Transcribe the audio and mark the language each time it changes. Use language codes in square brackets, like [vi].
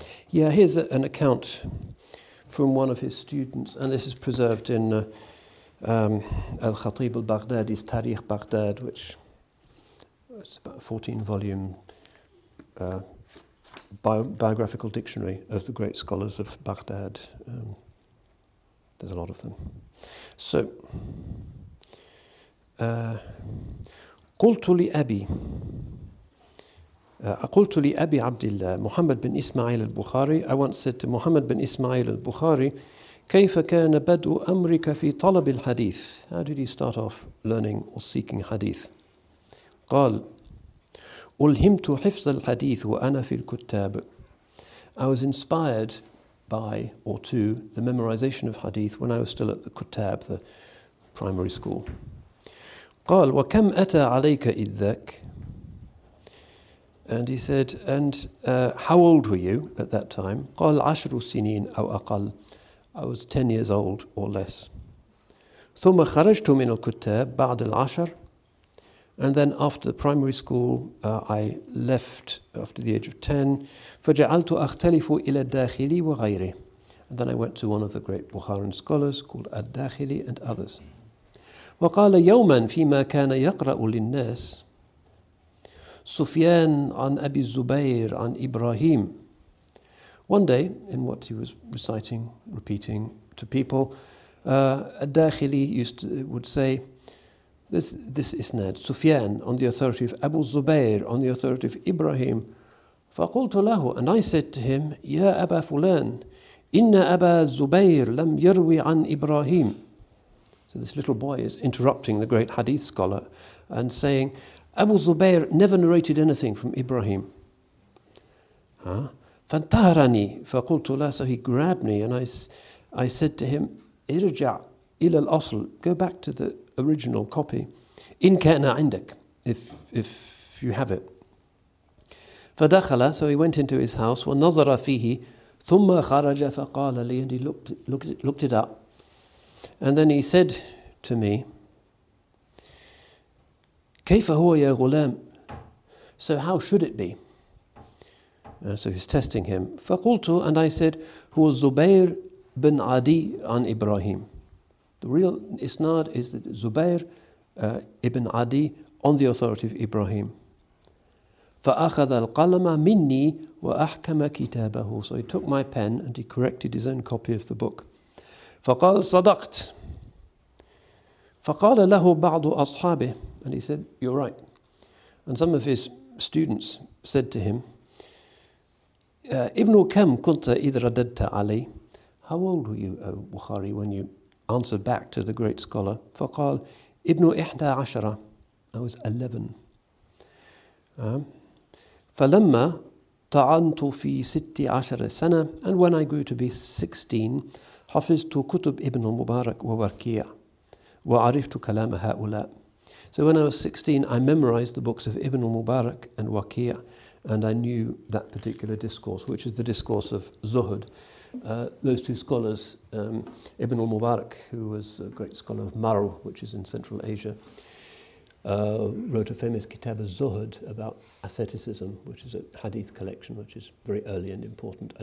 [en] Yeah, here's an account from one of his students, and this is preserved in Al-Khatib al-Baghdadi's Tariq Baghdad, which is about a 14-volume biographical dictionary of the great scholars of Baghdad. There's a lot of them. [ar] So, قلت لأبي أقلت لأبي عبد الله محمد بن إسماعيل البخاري. [en] I once said to Muhammad bin Ismail al-Bukhari, [ar] كيف كان بدء أمرك في طلب الحديث? [en] How did you start off learning or seeking hadith? [ar] قال ألهمت حفظ الحديث وأنا في الكتاب. [en] I was inspired by or to the memorization of hadith when I was still at the kutab, the primary school. [ar] قال وكم أتى عليك إذ ذاك? [en] And he said, and how old were you at that time? [ar] قال عشر سنين أو أقل. [en] I was 10 years old or less. [ar] ثم خرجت من الكتاب بعد العشر. [en] And then after the primary school, I left after the age of 10. [ar] فجعلت أختلف إلى الداخلي وغيري. [en] And then I went to one of the great Bukharan scholars called الداخلي and others. [ar] وقال يوما فيما كان يقرأ للناس Sufyan an Abi Zubair an Ibrahim. [en] One day, in what he was reciting, repeating to people, Ad-Dakhili would say, this isnad, Sufyan on the authority of Abu Zubair, on the authority of Ibrahim. [ar] فَقُلْتُ لَهُ [en] And I said to him, [ar] يَا أَبَا فُلَانَ إِنَّ أَبَا Zubair لَمْ يَرْوِ عَنْ Ibrahim. [en] So this little boy is interrupting the great hadith scholar and saying, Abu Zubair never narrated anything from Ibrahim. [ar] فَانْتَهَرَنِي فَقُلْتُ لَهُ [en] So he grabbed me and I said to him, [ar] إِرْجَعْ إِلَى الْأَصْلِ [en] Go back to the original copy. [ar] إِنْ كَانَ عِنْدَكَ [en] If you have it. [ar] فَدَخَلَ [en] So he went into his house. [ar] وَنَظَرَ فِيهِ ثُمَّ خَرَجَ فَقَالَ لِي [en] And he looked it up. And then he said to me, [ar] كيف هو يا غلام? [en] So how should it be? So he's testing him. [ar] فقلتُ [en] and I said, [ar] هو زبير بن عدي عن إبراهيم. [en] The real isnad is that زبير ابن عدي on the authority of Ibrahim. [ar] فأخذ القلم مني وأحكم كتابه. [en] So he took my pen and he corrected his own copy of the book. [ar] فقال صدقت. فقال له بعض أصحابه. [en] And he said, you're right. And some of his students said to him, [ar] Ibn Kam kunta idradadta Ali. [en] How old were you, O Bukhari, when you answered back to the great scholar, [ar] فقال ابن إحدى عشرة, [en] I was 11. [ar] فلما تعنت في ست عشر سنة, [en] and when I grew to be 16, [ar] حفظت كتب ابن المبارك ووركيع, وعرفت كلام هؤلاء. [en] So when I was 16, I memorized the books of Ibn al-Mubarak and Waqi', and I knew that particular discourse, which is the discourse of Zuhud. Those two scholars, Ibn al-Mubarak, who was a great scholar of Marw, which is in Central Asia, wrote a famous kitab of Zuhud about asceticism, which is a hadith collection, which is very early and important.